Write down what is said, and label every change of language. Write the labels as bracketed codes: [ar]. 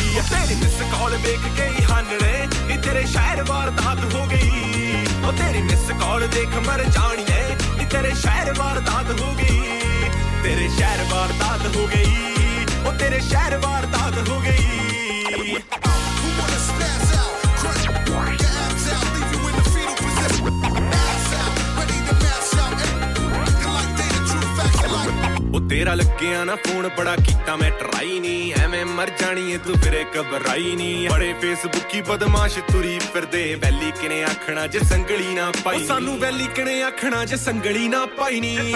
[pa] ਤੇਰੀ miss call ਵੇਖ ਕੇ ਹੀ ਹਾਨੜੇ ਇਹ ਤੇਰੇ ਸ਼ਹਿਰ ਵਾਰਦਾਤ ਹੋ ਗਈ ਉਹ ਤੇਰੀ ਮਿਸ ਕਾਲ ਦੇਖ ਮਰ ਜਾਣੀਏ ਇਹ ਤੇਰੇ ਸ਼ਹਿਰ ਵਾਰਦਾਤ ਹੋ ਗਈ ਤੇਰੇ ਸ਼ਹਿਰ ਵਾਰਦਾਤ ਹੋ ਗਈ ਉਹ ਤੇਰੇ ਸ਼ਹਿਰ ਵਾਰਦਾਤ ਹੋ ਗਈ [en] Who wanna spaz out, crack your abs out, leave you in the fetal position? Ass out, ready to mass out, acting like they the true facts of life. [pa] Oh, tera lagge aana phone bada kita main try ni. ਮਰ ਜਾਣੀ ਏ ਤੂੰ ਫਿਰੇ ਘਬਰਾਈ ਨੀ ਬੜੇ ਫੇਸਬੁੱਕੀ ਬਦਮਾਸ਼ ਤੁਰੀ ਫਿਰਦੇ ਵੈਲੀ ਕਿਨੇ ਆਖਣਾ ਜੇ ਸੰਗਲੀ ਨਾ ਪਾਈ ਸਾਨੂੰ ਵੈਲੀ ਕਿਨੇ ਆਖਣਾ ਜੇ ਸੰਗਲੀ ਨਾ ਪਾਈ ਨੀ